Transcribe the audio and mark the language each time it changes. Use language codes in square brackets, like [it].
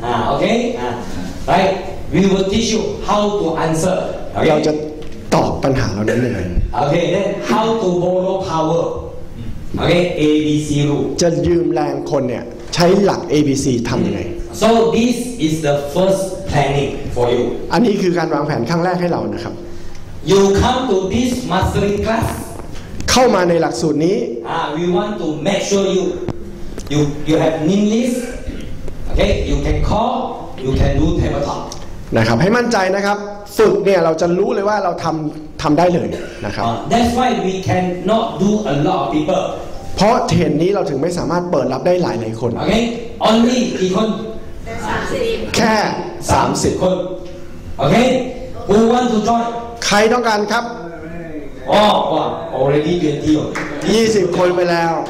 [en] Okay Right We will teach you how to answer [th] เราจะตอบปัญหาเรานั้นยังไง [en] Okay then how to borrow power Okay A B C rule [th] จะยืมแรงคนเนี่ยใช้หลัก ABC ทำยังไง [en] So this is the first planning for you [th] อันนี้คือการวางแผนครั้งแรกให้เรานะครับ [en] You come to this mastering class [th] เข้ามาในหลักสูตรนี้ [en] We want to make sure you have name list Okay you can call you can do table talk [th] นะครับให้มั่นใจนะครับฝึกเนี่ยเราจะรู้เลยว่าเราทำได้เลยนะครับ [en] That's why we can not do a lot of people [th] เพราะเทรนนี้เราถึงไม่สามารถเปิดรับได้หลายคน โอเค [en] only [th] กี่คน [en] 30 [th] แค่30 คนโอเค [en] who want to join [th] ใครต้องการครับ [en] ว้าว already 20 [th] 20คนไปแล้ว